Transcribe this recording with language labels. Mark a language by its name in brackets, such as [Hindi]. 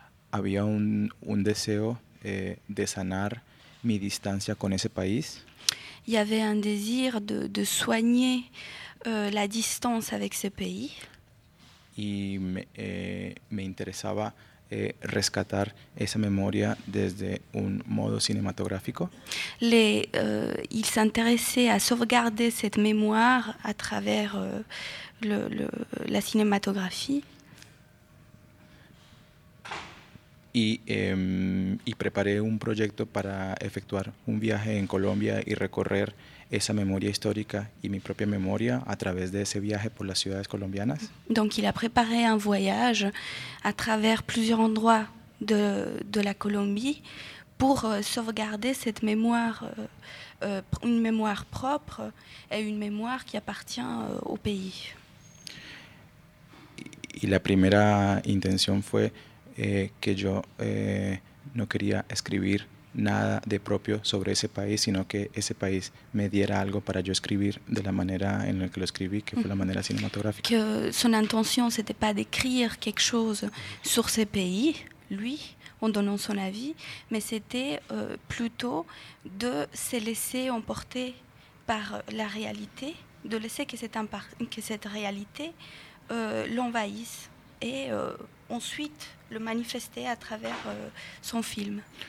[Spanish] Había un deseo de sanar mi distancia con ese país. Y había un [French] désir de soigner la distance avec ce pays. [Spanish] Y me interesaba rescatar esa memoria desde un modo cinematográfico. [French] Il s'intéressait à sauvegarder cette mémoire à travers la cinématographie. [Spanish] y preparé un proyecto para efectuar un viaje en Colombia y recorrer esa memoria histórica y mi propia memoria a través de ese viaje por las ciudades colombianas. [French] Donc il a préparé un voyage à travers plusieurs endroits de la Colombie pour sauvegarder cette mémoire, une mémoire propre et une mémoire qui appartient au pays. [Spanish] Y la primera intención fue que yo no quería escribir nada de propio sobre ese país, sino que ese país me diera algo para yo escribir de la manera en la que lo escribí, que fue la manera cinematográfica. [French] Que son intención c'était pas d'écrire quelque chose sur ce pays, lui, en donnant son avis, mais c'était plutôt de se laisser emporter par la réalité, de laisser que cette réalité l'envahisse et ensuite le manifester à travers son film.